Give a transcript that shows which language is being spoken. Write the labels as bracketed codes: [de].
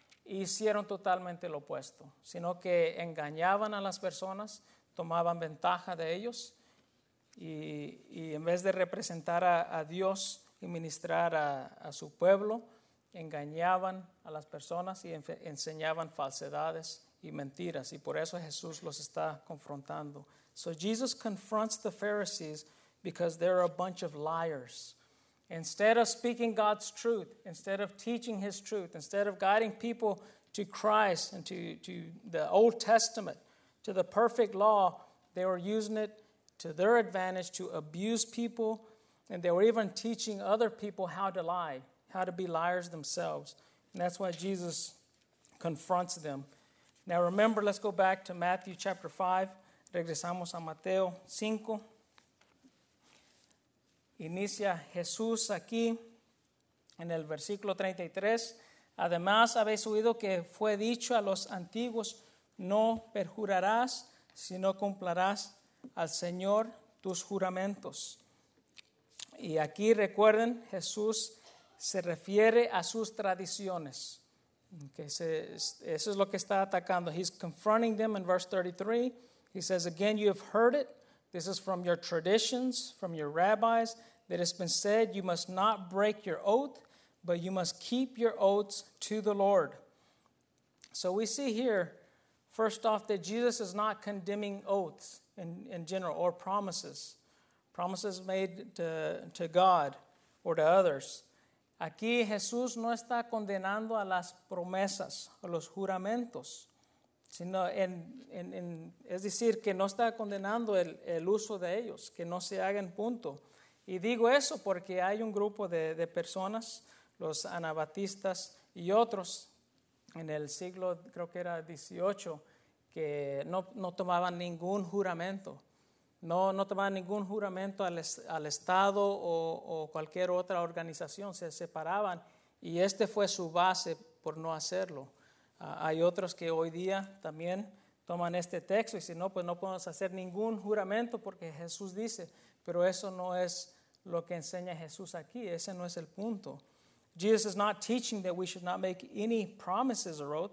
[es] Hicieron totalmente lo opuesto, sino que engañaban a las personas, tomaban ventaja de ellos y en vez de representar a Dios y ministrar a su pueblo, engañaban a las personas y enseñaban falsedades y mentiras. Y por eso Jesús los está confrontando. [en] So Jesus confronts the Pharisees because they're a bunch of liars. Instead of speaking God's truth, instead of teaching His truth, instead of guiding people to Christ and to the Old Testament, to the perfect law, they were using it to their advantage to abuse people, and they were even teaching other people how to lie, how to be liars themselves. And that's why Jesus confronts them. Now remember, let's go back to Matthew chapter 5. [es] Regresamos a Mateo 5. Inicia Jesús aquí en el versículo 33. Además, habéis oído que fue dicho a los antiguos, no perjurarás, sino cumplirás al Señor tus juramentos. Y aquí recuerden, Jesús se refiere a sus tradiciones. Eso es lo que está atacando. [en] He's confronting them in verse 33. He says, again, you have heard it. This is from your traditions, from your rabbis. It has been said, you must not break your oath, but you must keep your oaths to the Lord. So we see here, first off, that Jesus is not condemning oaths in general or promises. Promises made to God or to others. [es] Aquí Jesús no está condenando a las promesas, a los juramentos. Sino es decir, que no está condenando el uso de ellos, que no se haga en punto. Y digo eso porque hay un grupo de personas, los anabatistas y otros, en el siglo, creo que era 18, que no tomaban ningún juramento. No tomaban ningún juramento al Estado o cualquier otra organización. Se separaban y este fue su base por no hacerlo. Hay otros que hoy día también toman este texto y dicen, no, pues no podemos hacer ningún juramento porque Jesús dice, pero eso no es lo que enseña Jesús aquí, ese no es el punto. [en] Jesus is not teaching that we should not make any promises or oath.